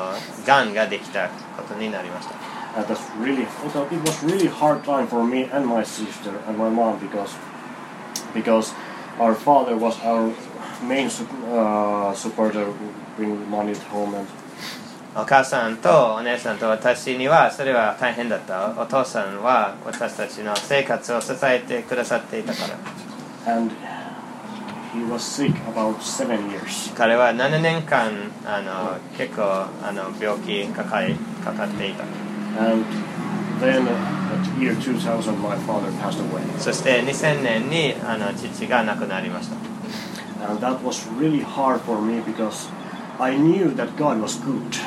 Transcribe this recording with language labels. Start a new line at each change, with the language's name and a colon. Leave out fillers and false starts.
Japanese: そして、やがてお父さんはがんができたことになりました。
English: And that's really, it was really hard time for me and my sister and my mom because our father was our main supporter, bringing money at home and.
Japanese: お母さんとお姉さんと私にはそれは大変だった。お父さんは私たちの生活を支えてくださっていたから。
English: And he was sick about 7 years.
Japanese: 彼は7年間結構病気かかっていた。
English: And then at year 2000 my father passed away.
Japanese: そして2000年に父が亡くなりました。
English: And that was really hard for me because I knew that God was good.